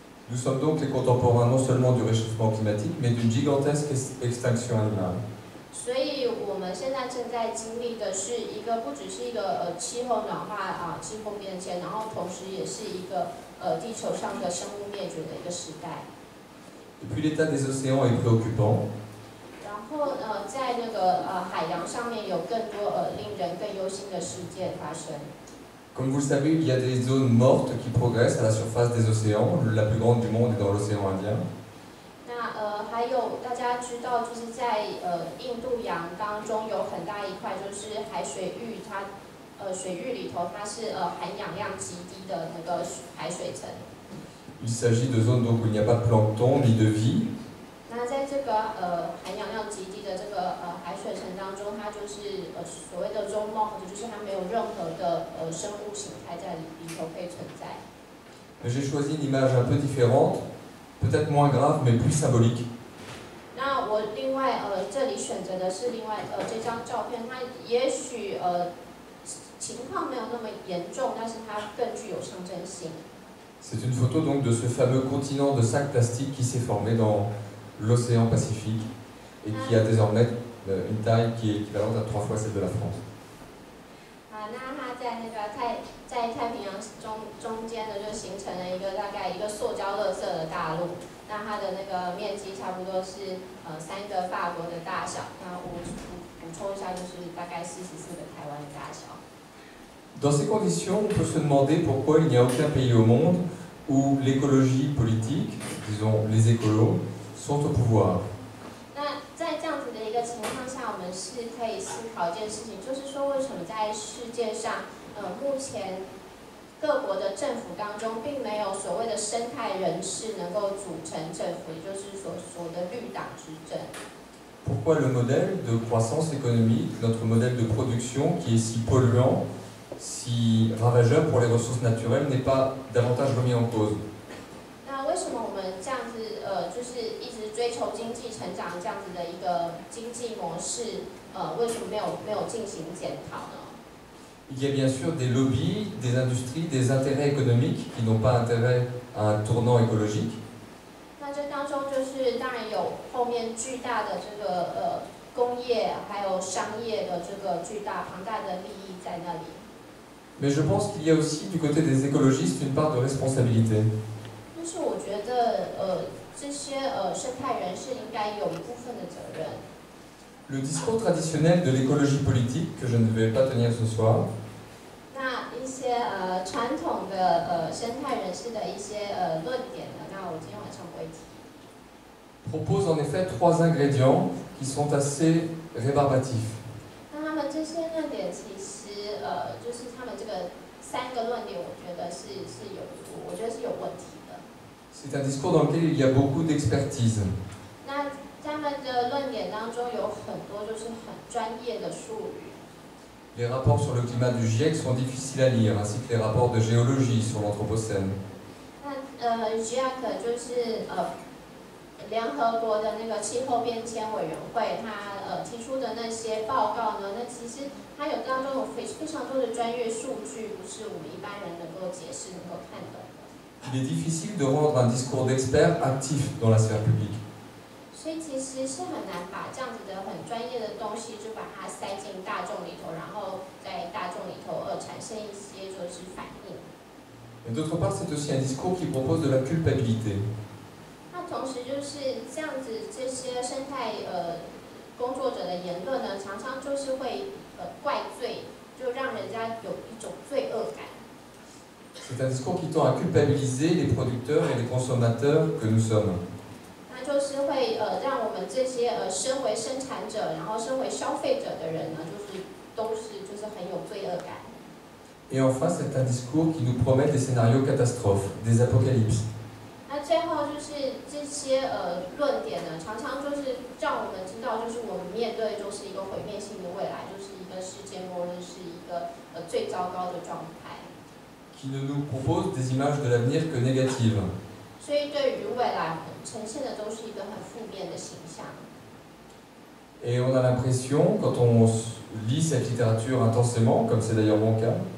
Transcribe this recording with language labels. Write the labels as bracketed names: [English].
[French] Nous sommes donc les contemporains non seulement du réchauffement climatique, mais d'une gigantesque extinction animale. [Chinese] 所以我们现在正在经历的是一个不只是一个气候暖化啊，气候变迁，然后同时也是一个地球上的生物灭绝的一个时代。 [French] Depuis l'état des océans est préoccupant. [Chinese] 然后在那个海洋上面有更多令人更忧心的事件发生。 [French] Comme vous le savez, il y a des zones mortes qui progressent à la surface des océans. La plus grande du monde est dans l'océan Indien. [Chinese] 那还有大家知道，就是在印度洋当中有很大一块，就是海水域，它水域里头它是含氧量极低的那个海水层。 [French] Il s'agit de zones donc où il n'y a pas de plancton ni de vie. [Chinese] 那在这个含氧量极低的这个海水层当中，它就是所谓的中末，就是它没有任何的生物形态在里头可以存在。 [French] Mais j'ai choisi une image un peu différente. Peut-être moins grave, mais plus symbolique. [Chinese] 那我另外这里选择的是另外这张照片，它也许情况没有那么严重，但是它更具有象征性。 [French] C'est une photo donc de ce fameux continent de sac plastique qui s'est formé dans l'océan Pacifique et qui a désormais une taille qui est équivalente à 3 fois celle de la France. [Chinese] 啊，那它在那个在太平洋中间呢，就形成了一个大概一个塑胶垃圾的大陆。那它的那个面积差不多是三个法国的大小。那我补充一下，就是大概44个台湾的大小。 [French] Dans ces conditions, on peut se demander pourquoi il n'y a aucun pays au monde où l'écologie politique, disons les écolos, sont au pouvoir. [Chinese] 那在这样子的一个情况下，我们是可以思考一件事情，就是说为什么在世界上。目前各国的政府当中，并没有所谓的生态人士能够组成政府，也就是所谓的绿党执政。 [French] Pourquoi le modèle de croissance économique, notre modèle de production, qui est si polluant, si ravageur pour les ressources naturelles, n'est pas davantage remis en cause？ [Chinese] 那为什么我们这样子就是一直追求经济成长这样子的一个经济模式，为什么没有进行检讨呢？ [French] Il y a bien sûr des lobbies, des industries, des intérêts économiques qui n'ont pas intérêt à un tournant écologique. [Chinese] 那这当中就是当然有后面巨大的这个工业还有商业的这个巨大庞大的利益在那里。 [French] Mais je pense qu'il y a aussi du côté des écologistes une part de responsabilité. [Chinese] 但是我觉得这些生态人士应该有一部分的责任。 [French] Le discours traditionnel de l'écologie politique que je ne vais pas tenir ce soir. [Chinese] 那一些传统的生态人士的一些论点呢，那我今天晚上不会提。 [French] Propose en effet trois ingrédients qui sont assez rébarbatifs. [Chinese] 那他们这些论点其实就是他们这个三个论点，我觉得是有问题的。 [French] C'est un discours dans lequel il y a beaucoup d'expertise. [Chinese] 那他们的论点当中有很多就是很专业的术语。 [French] Les rapports sur le climat du GIEC sont difficiles à lire, ainsi que les rapports de géologie sur l'anthropocène. [Chinese] 那GIEC 就是联合国的那个气候变迁委员会，他提出的那些报告呢，那其实它有当中有非常多的专业数据，不是我们一般人能够解释、能够看懂的。 [French] Il est difficile de rendre un discours d'expert actif dans la sphère publique. [Chinese] 所以其实是很难把这样子的很专业的东西就把它塞进大众里头，然后在大众里头产生一些就是反应。 [French] Et d'autre part, c'est aussi un discours qui propose de la culpabilité. [Chinese] 那同时就是这样子，这些生态工作者的言论呢，常常就是会怪罪，就让人家有一种罪恶感。 [French] C'est un discours qui tend à culpabiliser les producteurs et les consommateurs que nous sommes. [Chinese] 就是会让我们这些身为生产者，然后身为消费者的人呢，都是很有罪恶感。 [French] Et enfin, c'est un discours qui nous promet des scénarios catastrophes, des apocalypses. [Chinese] 那最后就是这些论点呢，常常就是让我们知道，就是我们面对就是一个毁灭性的未来，就是一个世界末日，是一个最糟糕的状态。 [French] Qui ne nous propose des images de l'avenir que négatives. [Chinese] 所以对于未来。呈现的都是一个很负面的形象。 [French] Et on a l'impression, quand on lit cette littérature intensément, comme c'est d'ailleurs mon cas.